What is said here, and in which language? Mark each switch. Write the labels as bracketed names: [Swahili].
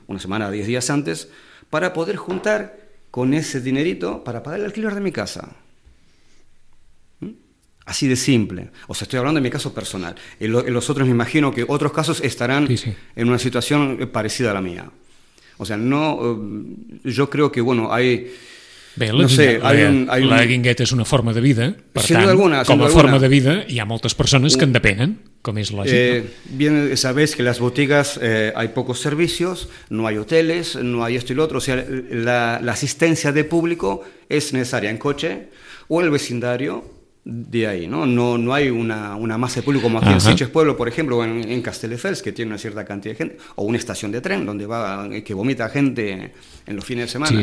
[Spanish] una semana 10 días antes, para poder juntar con ese dinerito para pagar el alquiler de mi casa. Así de simple. O sea, estoy hablando de mi caso personal. En los otros me imagino que otros casos estarán, sí, sí, en una situación parecida a la mía. O sea, no, yo creo que, bueno, hay... [Catalan] Bé, la, no sé, la guingueta és una forma de vida, per [Spanish] sin [Catalan] tant, alguna, com a forma de vida hi ha moltes persones que en depenen, com és lògic. [Spanish] Bien, sabéis que las botigas hay pocos servicios, no hay hoteles, no hay esto y lo otro, o sea, la asistencia de público es necesaria en coche o en el vecindario de ahí, ¿no? No hay una masa de público como aquí en Sitges Pueblo, por ejemplo, o en Castelldefels, que tiene una cierta cantidad de gente, o una estación de tren donde va, que vomita gente en los fines de semana.